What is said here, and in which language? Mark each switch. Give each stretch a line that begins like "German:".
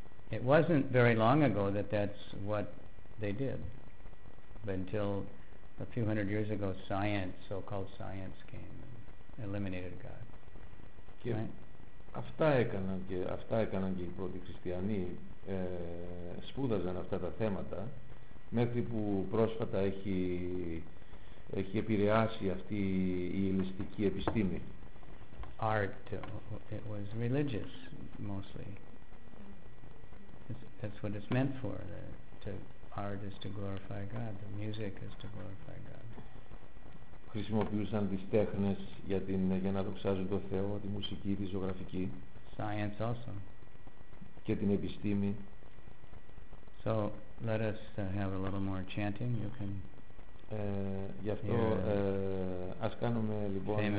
English: It wasn't very long ago that that's what they did. But until a few hundred years ago, science, so-called science, came and eliminated God.
Greek: Και
English: right?
Greek: αυτά έκαναν και οι πρώτοι χριστιανοί, σπούδαζαν αυτά τα θέματα, μέχρι που πρόσφατα έχει επηρεάσει αυτή η ηλιστική επιστήμη.
English: Art, it was religious mostly. That's what it's meant for. To art is to glorify God. The music is to glorify God.
Greek: Χρησιμοποιούσαν τις τέχνες για να δοξάζουν τον Θεό, τη μουσική, τη ζωγραφική.
English: Science also.
Greek: Και την επιστήμη.
English: So let us have a little more chanting. You can.
Greek: Γι' αυτό ας κάνουμε λοιπόν